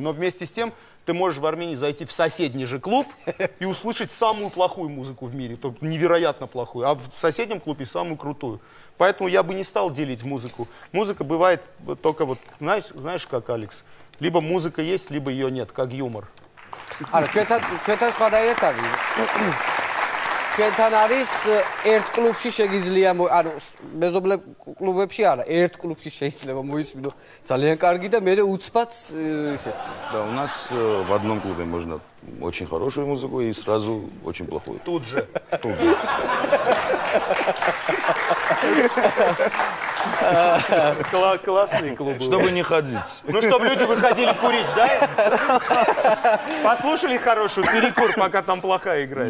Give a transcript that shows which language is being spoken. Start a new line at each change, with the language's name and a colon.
Russian: Но вместе с тем ты можешь в Армении зайти в соседний же клуб и услышать самую плохую музыку в мире, то невероятно плохую, а в соседнем клубе самую крутую. Поэтому я бы не стал делить музыку. Музыка бывает только вот, знаешь как, Алекс, либо музыка есть, либо ее нет, как юмор. А что это с водой?
Georgian: Ჩვენთან არის ერთ კლუბში შეგიძლია, ანუ მეზობლე კლუბებში არა, ერთ კლუბში შეიძლება მოისმინო ძალიან კარგი და მე უცბად ისეთს.
Russian: Да, у нас в одном клубе можно очень хорошую музыку и сразу очень плохую. Тут же. Классные клубы. Чтобы не ходить. Ну, чтобы люди выходили курить, да? Послушали хорошую, перекур, пока там плохая играет.